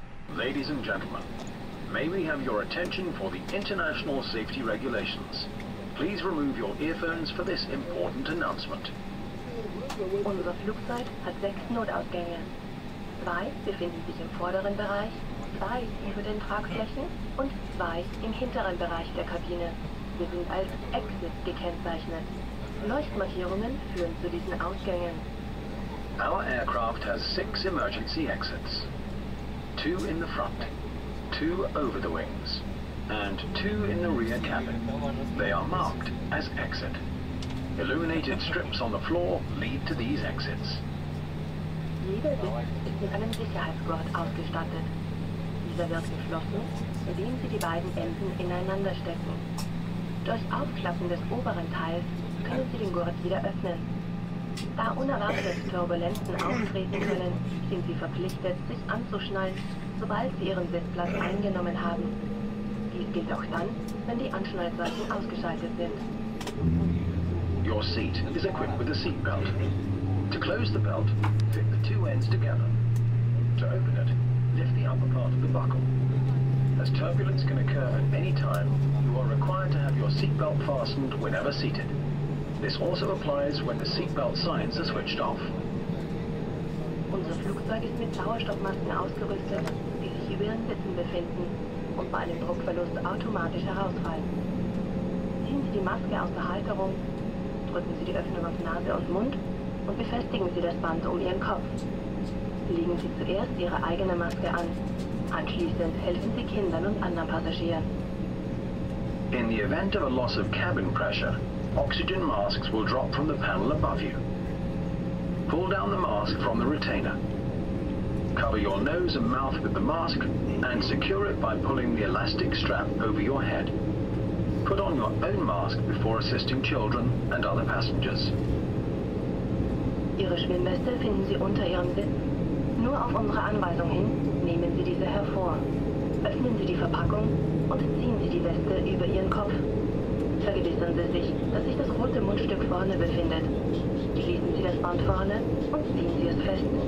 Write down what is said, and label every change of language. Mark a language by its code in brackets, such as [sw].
[en] Ladies and gentlemen, may we have your attention for the international safety regulations. Please remove your earphones for this important announcement. [de] Unser Flugzeug hat 6 Notausgänge. 2 befinden sich im vorderen Bereich, 2 über den Tragflächen und 2 im hinteren Bereich der Kabine. Sie sind als Exit gekennzeichnet. Leuchtmarkierungen führen zu diesen Ausgängen. [en] Our aircraft has 6 emergency exits. 2 in the front, 2 over the wings, and 2 in the rear cabin. They are marked as exit. Illuminated strips on the floor lead to these exits. [de] Jeder Sitz ist mit einem Sicherheitsgurt ausgestattet. Dieser wird geschlossen, indem Sie die beiden Enden ineinander stecken. Durch Aufklappen des oberen Teils können Sie den Gurt wieder öffnen. Da unerwartet Turbulenzen auftreten können, sind Sie verpflichtet, sich anzuschnallen, sobald Sie Ihren Sitzplatz eingenommen haben. Dies gilt auch dann, wenn die Anschnallseiten ausgeschaltet sind. [en] Your seat is equipped with a seatbelt. To close the belt, fit the two ends together. To open it, lift the upper part of the buckle. As turbulence can occur at any time, you are required to have your seatbelt fastened whenever seated. This also applies when the seatbelt signs are switched off. [de] Unser Flugzeug ist mit Sauerstoffmasken ausgerüstet, die sich über Ihren Sitzen befinden und bei einem Druckverlust automatisch herausfallen. Ziehen Sie die Maske aus der Halterung, drücken Sie die Öffnung auf Nase und Mund und befestigen Sie das Band um Ihren Kopf. Legen Sie zuerst Ihre eigene Maske an. Anschließend helfen Sie Kindern und anderen Passagieren. [en] In the event of a loss of cabin pressure, oxygen masks will drop from the panel above you. Pull down the mask from the retainer. Cover your nose and mouth with the mask and secure it by pulling the elastic strap over your head. Put on your own mask before assisting children and other passengers. [de] Ihre Schwimmweste finden Sie unter Ihrem Sitz. Nur auf unsere Anweisung hin, nehmen Sie diese hervor. Öffnen Sie die Verpackung und ziehen Sie die Weste über Ihren Kopf. Vergewissern Sie sich, dass sich das rote Mundstück vorne befindet. Schließen Sie das Band vorne und ziehen Sie es fest.